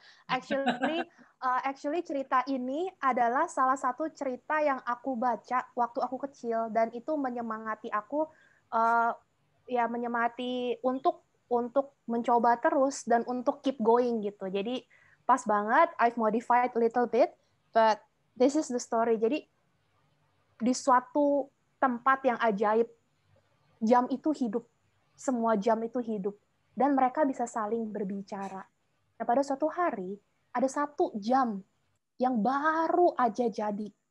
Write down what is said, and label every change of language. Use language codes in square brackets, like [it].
[id] actually cerita ini adalah salah satu cerita yang aku baca waktu aku kecil dan itu menyemangati aku. Ya menyemati untuk mencoba terus dan untuk keep going gitu. Jadi [en] pas banget, I've modified a little bit, but this is the story. [id] Jadi, di suatu tempat yang ajaib, jam itu hidup. Semua jam itu hidup. Dan mereka bisa saling berbicara. Nah, pada suatu hari, ada satu jam yang baru aja jadi.